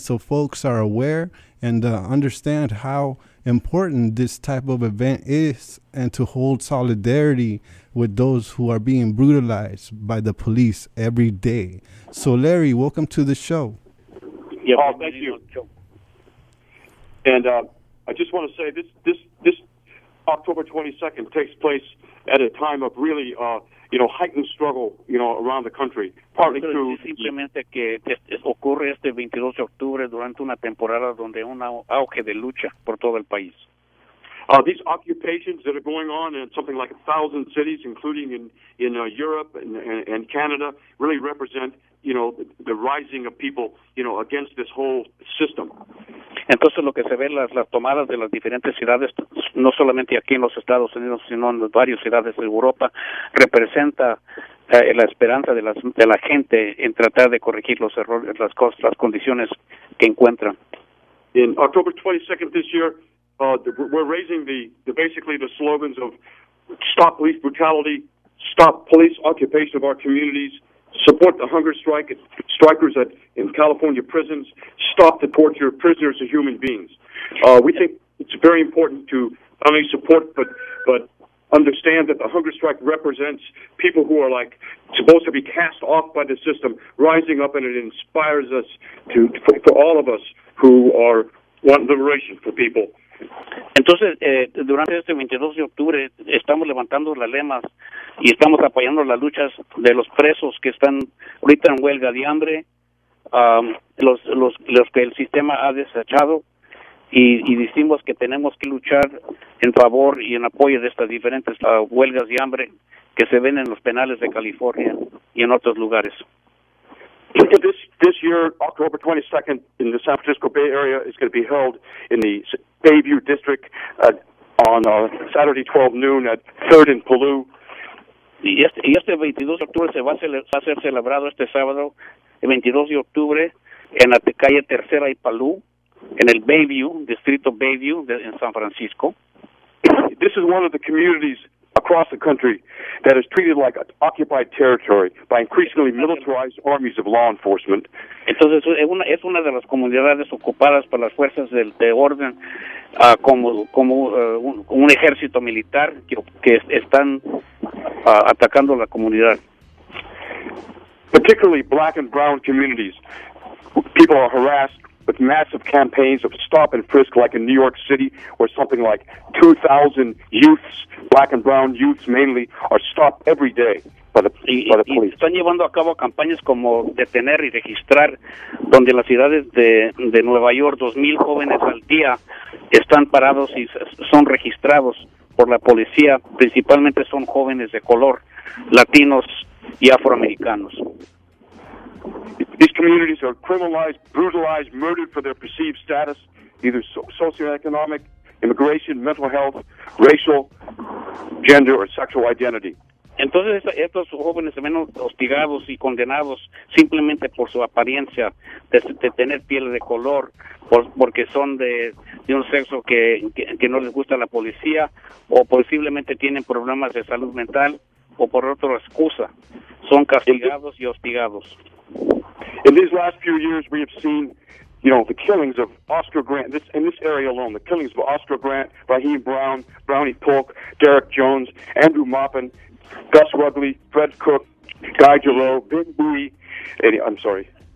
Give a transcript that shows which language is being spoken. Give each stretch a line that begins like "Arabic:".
English: So folks are aware and understand how important this type of event is, and to hold solidarity with those who are being brutalized by the police every day. So Larry, welcome to the show. Yeah, Paul, thank you. And I just want to say this October 22nd takes place at a time of really, heightened struggle, around the country. Partly through.
Spanish: Simplemente que ocurre este 22 de octubre durante una temporada donde un auge de lucha por todo el país.
English: These occupations that are going on in something like 1,000 cities, including in Europe and Canada, really represent, the rising of people, against this whole system.
Spanish: Entonces lo que se ve las tomadas de las diferentes ciudades, no solamente aquí en los Estados Unidos, sino en varias ciudades de Europa, representa la esperanza de la gente en tratar de corregir los errores, las condiciones que encuentran.
English: In October 22nd this year, we're raising the slogans of stop police brutality, stop police occupation of our communities, support the hunger strikers in California prisons, stop the torture of prisoners and human beings. We think it's very important to not only support but understand that the hunger strike represents people who are like supposed to be cast off by the system, rising up, and it inspires us for all of us who want liberation for people.
Spanish: Entonces, durante este 22 de octubre estamos levantando las lemas y estamos apoyando las luchas de los presos que están ahorita en huelga de hambre, los que el sistema ha desechado, y decimos que tenemos que luchar en favor y en apoyo de estas diferentes huelgas de hambre que se ven en los penales de California y en otros lugares.
English: This year, October 22nd, in the San Francisco Bay Area, is going to be held in the Bayview District on Saturday 12 noon at 3rd and Palou.
Spanish: Y este 22 de octubre se va a ser celebrado este sábado, el 22 de octubre, en la calle Tercera y Palou, en el Bayview, Distrito Bayview, en San Francisco.
English: This is one of the communities across the country that is treated like occupied territory by increasingly militarized armies of law enforcement.
Spanish: Entonces es una de las comunidades ocupadas por las fuerzas de orden como un ejército militar que están atacando la comunidad.
English: Particularly black and brown communities. People are harassed with massive campaigns of stop and frisk, like in New York City, where something like 2,000 youths, black and brown youths mainly, are stopped every day by the police.
Spanish: Y están llevando a cabo campañas como detener y registrar, donde las ciudades de Nueva York, 2,000 jóvenes al día, están parados y son registrados por la policía. Principalmente son jóvenes de color, latinos y afroamericanos.
English: These communities are criminalized, brutalized, murdered for their perceived status. either socioeconomic, immigration, mental health, racial, gender, or sexual identity.
Spanish: Entonces, estos jóvenes se ven hostigados y condenados simplemente por su apariencia de tener piel de color, porque son de un sexo que no les gusta la policía, o posiblemente tienen problemas de salud mental, o por otra excusa, son castigados y hostigados.
English: In these last few years, we have seen, you know, the killings of Oscar Grant, this, in this area alone, the killings of Oscar Grant, Raheem Brown, Brownie Polk, Derek Jones, Andrew Maupin, Gus Rugley, Fred Cook, Guy Giroux, Big Bui, I'm sorry.